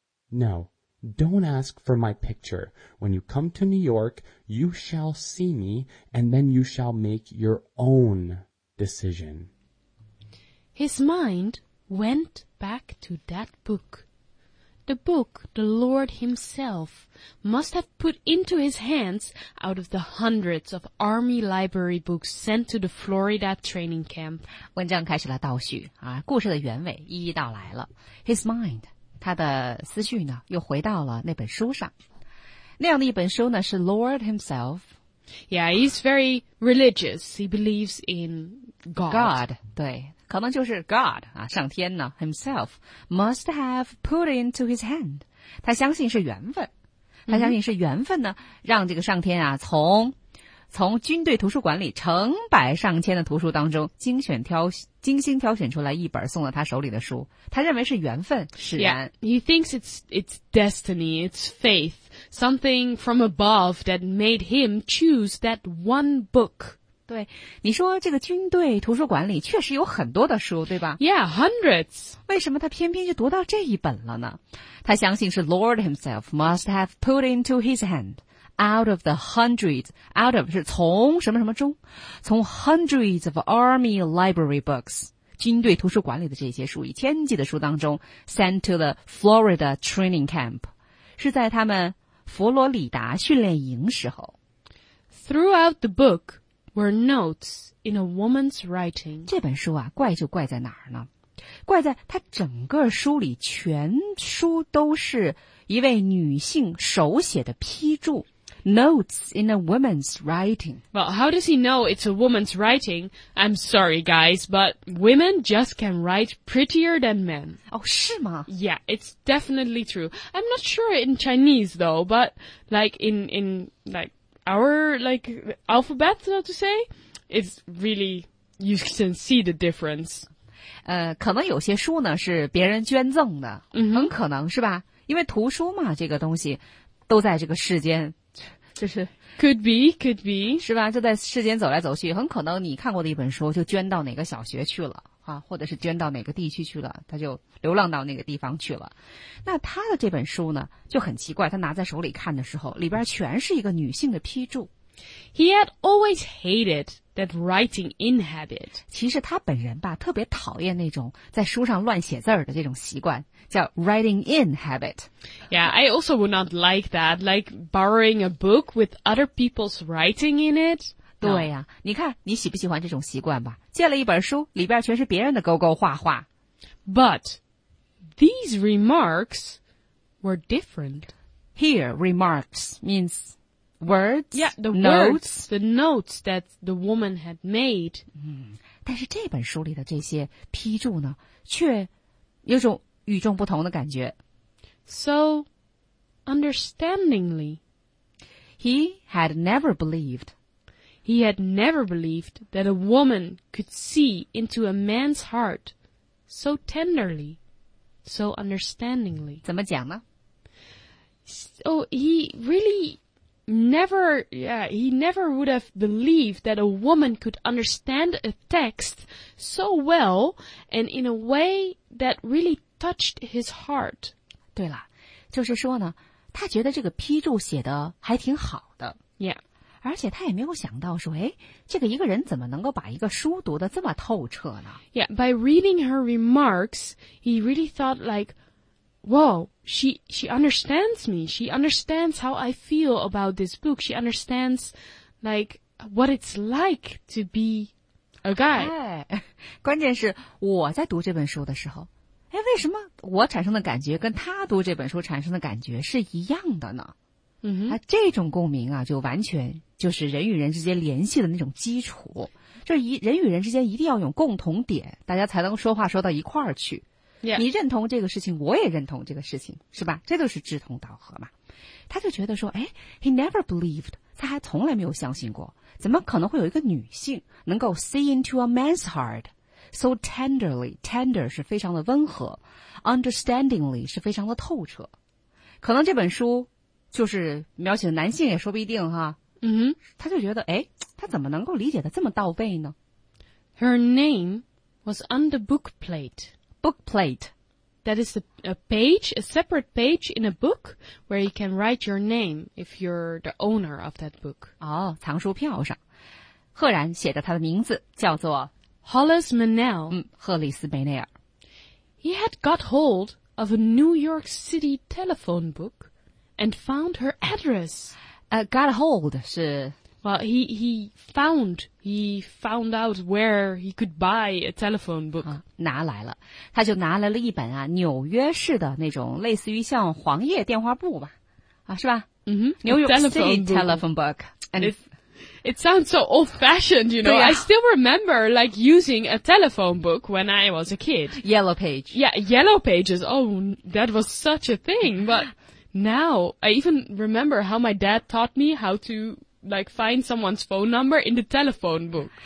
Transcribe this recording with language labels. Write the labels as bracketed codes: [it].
[en] No, don't ask for my picture. When you come to New York, you shall see me, and then you shall make your own decision. His mind went back to that book. The book the Lord himself must have put into his hands out of the hundreds of army library books sent to the Florida training camp. [zh] 文章开始了倒叙啊，故事的原委一一道来了。 [en] His mind, [zh] 他的思绪呢又回到了那本书上。那样的一本书呢是 [en] Lord himself. Yeah, he's very religious. He believes in God. [zh] God, 对。可能就是 God, 啊上天呢 himself, [en] must have put into his hand. [zh] 他相信是缘分。他相信是缘分呢、mm-hmm. 让这个上天啊从军队图书馆里成百上千的图书当中精心挑选出来一本送到他手里的书。他认为是缘分使然。 [en] Yeah, he thinks it's destiny, it's faith, something from above that made him choose that one book. [zh] 对，你说这个军队图书馆里确实有很多的书，对吧 [en] ？Yeah, hundreds. [zh] 为什么他偏偏就读到这一本了呢？他相信是 [en] Lord himself must have put into his hand out of the hundreds. Out of [zh] 是从什么什么中，从 [en] hundreds of army library books [zh] 军队图书馆里的这些书，以千计的书当中 ， [en] sent to the Florida training camp [zh] 是在他们佛罗里达训练营时候。 [en] Throughout the book. Were notes in a woman's writing. [zh] 这本书啊，怪就怪在哪儿呢？怪在它整个书里，全书都是一位女性手写的批注。 [en] Notes in a woman's writing. Well, how does he know it's a woman's writing? I'm sorry, guys, but women just can write prettier than men. [zh] Oh, 是吗? [en] Yeah, it's definitely true. I'm not sure in Chinese, though, but like in Our, like, alphabet, so to say, is really, you can see the difference. [zh] 可能有些书呢是别人捐赠的、 mm-hmm. 很可能是吧因为图书嘛这个东西都在这个世间就是 [en] Could be. [zh] 是吧就在世间走来走去很可能你看过的一本书就捐到哪个小学去了啊，或者是捐到哪个地区去了他就流浪到那个地方去了那他的这本书呢就很奇怪他拿在手里看的时候里边全是一个女性的批注 [en] He had always hated that writing in habit [zh] 其实他本人吧特别讨厌那种在书上乱写字儿的这种习惯叫 [en] writing in habit Yeah, I also would not like that like borrowing a book with other people's writing in it [zh] 对呀、啊，你看你喜不喜欢这种习惯吧？借了一本书，里边全是别人的勾勾画画。 [en] But these remarks were different. Here, remarks means words. Yeah, the notes. The notes that the woman had made. [zh] 嗯，但是这本书里的这些批注呢，却有种与众不同的感觉。 [en] So, understandingly, he had never believed. He had never believed that a woman could see into a man's heart so tenderly, so understandingly. [zh] 怎么讲呢？ [en] So he really never, yeah, he never would have believed that a woman could understand a text so well and in a way that really touched his heart. [zh] 对了。就是说呢，他觉得这个批注写得还挺好的 [en] ，Yeah， [zh] 而且他也没有想到说，哎，这个一个人怎么能够把一个书读得这么透彻呢 [en] ？Yeah， by reading her remarks， he really thought like， whoa， she understands me， she understands how I feel about this book， she understands like what it's like to be a guy。 [zh] 哎，关键是我在读这本书的时候。哎，为什么我产生的感觉跟他读这本书产生的感觉是一样的呢？嗯哼，啊，这种共鸣啊，就完全就是人与人之间联系的那种基础。就是人与人之间一定要有共同点，大家才能说话说到一块儿去。 [en] Yeah. [zh] 你认同这个事情，我也认同这个事情，是吧？这都是志同道合嘛。他就觉得说，哎 ， [en] he never believed， [zh] 他还从来没有相信过，怎么可能会有一个女性能够 [en] see into a man's heart？ So tenderly, [zh] tender 是非常的温和 ，understandingly 是非常的透彻。可能这本书就是描写的男性也说不一定哈。嗯哼，他就觉得，哎，他怎么能够理解的这么到位呢 [en] ？Her name was on the book plate. Book plate, that is a page, a separate page in a book where you can write your name if you're the owner of that book. [zh] 哦，藏书票上，赫然写着他的名字，叫做。 [en] Hollis Manel. [zh] 嗯，赫里斯·梅内尔。 [en] He had got hold of a New York City telephone book and found her address. Got hold [zh] 是 [en] Well, he found out where he could buy a telephone book.、 [zh] 拿来了，他就拿来了一本啊，纽约市的那种类似于像黄页电话簿吧，啊，是吧？嗯哼 [en] ，New York City telephone book and It sounds so old-fashioned, you know. 对啊。 I still remember, like, using a telephone book when I was a kid. Yellow page. Yeah, yellow pages. Oh, that was such a thing. But now, I even remember how my dad taught me how to, like, find someone's phone number in the telephone book.